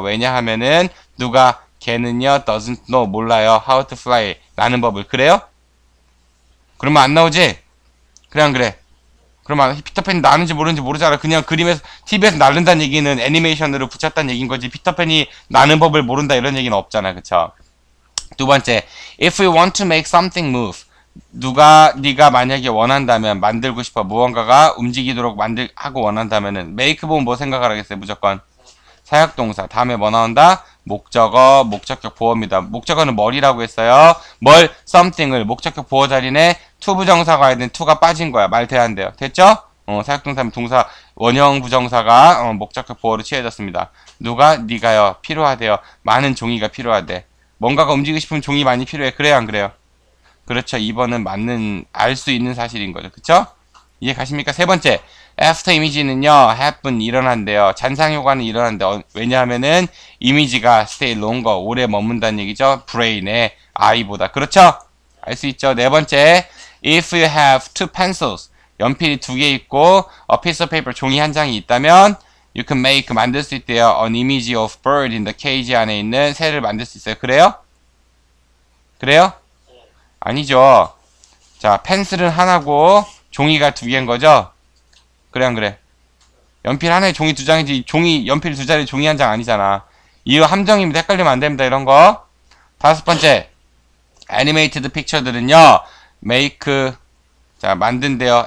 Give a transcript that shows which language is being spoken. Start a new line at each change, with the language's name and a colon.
Korean: 왜냐하면은, 누가, 걔는요,
English: doesn't know,
Korean: 몰라요,
English: how to fly,
Korean: 나는 법을. 그래요? 그러면 안 나오지? 그냥 그래. 그러면 피터팬이 나는지 모르는지 모르잖아. 그냥 그림에서, TV에서 날른다는 얘기는 애니메이션으로 붙였다는 얘기인 거지. 피터팬이 나는 법을 모른다 이런 얘기는 없잖아. 그쵸? 두 번째.
English: If we want to make something move.
Korean: 누가, 네가 만약에 원한다면, 만들고 싶어. 무언가가 움직이도록 하고 원한다면은, make 보면 뭐 생각을 하겠어요? 무조건. 사역동사. 다음에 뭐 나온다? 목적어, 목적격 보어입니다. 목적어는 뭘이라고 했어요? 뭘, something을, 목적격 보어 자리네, to 부정사가 있는 to가 빠진 거야. 말 돼야 한대요. 됐죠? 사역동사는 동사, 원형 부정사가, 목적격 보어로 취해졌습니다. 누가? 네가요. 필요하대요. 많은 종이가 필요하대. 뭔가가 움직이고 싶으면 종이 많이 필요해. 그래요, 안 그래요? 그렇죠. 2번은 맞는, 알수 있는 사실인 거죠. 그쵸? 이해 가십니까? 세 번째. After 이미지는요, happen, 일어난대요. 잔상 효과는 일어난대요. 왜냐하면은, 이미지가
English: stay longer,
Korean: 오래 머문다는 얘기죠. brain의 eye보다. 그렇죠? 알수 있죠. 네 번째.
English: If you have two pencils,
Korean: 연필이 두개 있고,
English: a piece of paper,
Korean: 종이 한 장이 있다면,
English: you can make,
Korean: 만들 수 있대요.
English: an image of bird in the cage
Korean: 안에 있는 새를 만들 수 있어요. 그래요? 그래요? 아니죠. 자, 펜슬은 하나고, 종이가 두 개인 거죠? 그래, 안 그래? 연필 하나에 종이 두 장이지, 종이, 연필 두 자리에 종이 한장 아니잖아. 이거 함정입니다. 헷갈리면 안 됩니다. 이런 거. 다섯 번째. 애니메이티드 픽처들은요, 메이크, 자, 만든대요.